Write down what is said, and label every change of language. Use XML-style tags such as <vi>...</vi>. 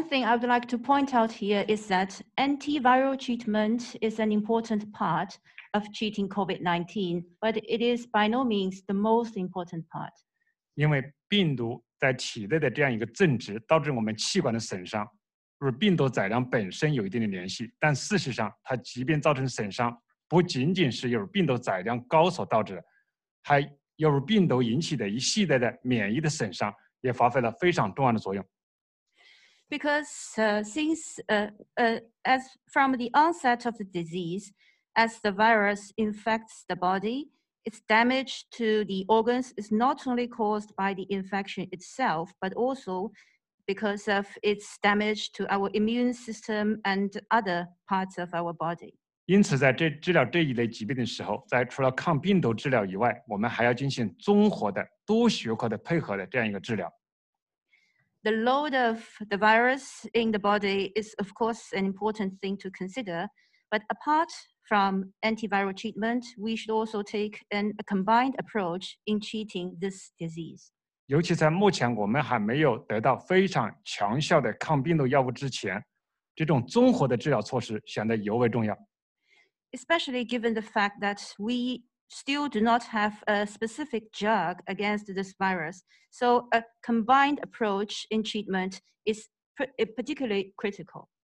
<en>One thing I would like to point out here is that antiviral treatment is an important part of treating COVID-19, but it is by no means the most important part.</en> <zh>因为病毒在体内的这样一个增殖导致我们器官的损伤，与病毒载量本身有一定的联系。但事实上，它即便造成损伤，不仅仅是由病毒载量高所导致的，还由病毒引起的一系列的免疫的损伤也发挥了非常重要的作用。</zh> <en>Because since, as from the onset of the disease, as the virus infects the body. Its damage to the organs is not only caused by the infection itself, but also because of its damage to our immune system and other parts of our body.</en> <zh>因此在这治疗这一类疾病的时候，在除了抗病毒治疗以外，我们还要进行综合的多学科的配合的这样一个治疗。</zh> <en>The load of the virus in the body is, of course, an important thing to consider, but apart. From antiviral treatment, we should also take a combined approach in treating this disease.</en> <zh>尤其在目前我们还没有得到非常强效的抗病毒药物之前，这种综合的治疗措施显得尤为重要。</zh> <en>Especially given the fact that we still do not have a specific drug against this virus, so a combined approach in treatment is particularly critical.</en>